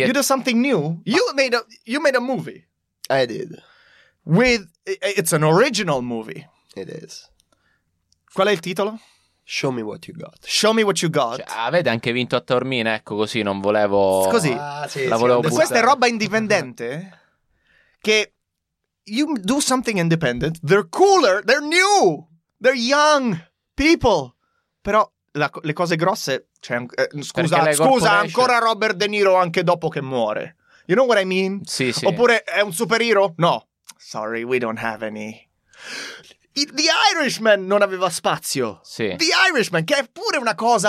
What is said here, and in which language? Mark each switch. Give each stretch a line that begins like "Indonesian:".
English: You do something new? You made a movie. I did. With... It's an original movie. It is.
Italian: Qual è il titolo?
English: Show me what you got. Show me what you got.
Italian: Cioè, avete anche vinto a Taormina, ecco, così non volevo... Così. Ah, sì, volevo questa è roba indipendente. Che
English: you do something independent, they're cooler, they're new, they're young people.
Italian: Però le cose grosse... Cioè, scusa, ancora Robert De Niro anche dopo che muore.
English: You know what I mean?
Italian: Sì, sì. Oppure è un supereroe?
English: No. Sorry, we don't have any...
Italian: The Irishman non aveva spazio. Sì. The Irishman, che è pure una cosa